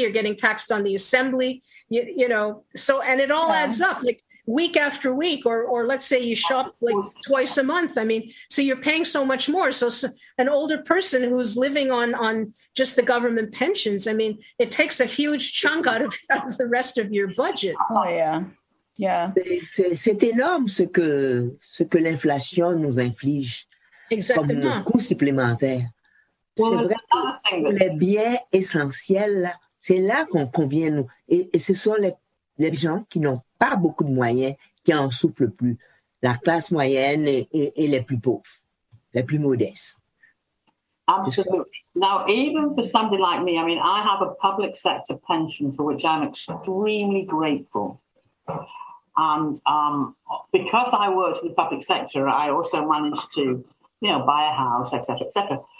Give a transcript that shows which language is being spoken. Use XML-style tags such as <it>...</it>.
<en>You're getting taxed on the assembly, and it all adds up. Like, week after week, or let's say you shop like twice a month. So you're paying so much more. So an older person who's living on just the government pensions, it takes a huge chunk out of the rest of your budget. Oh, yeah. Yeah.</en> <fr>C'est énorme ce que l'inflation nous inflige.</fr> <en>Exactly.</en> <fr>Comme coût supplémentaire. Well, c'est vrai que les biens essentiels, c'est là qu'on vient nous. Et ce sont les gens qui n'ont pas beaucoup de moyens qui en souffrent le plus. La classe moyenne et les plus pauvres, les plus modestes.</fr> <en>Absolutely. Now, even for somebody like me, I have a public sector pension for which I'm extremely grateful. And because I worked in the public sector, I also managed to, buy a house, et cetera, et cetera.</en>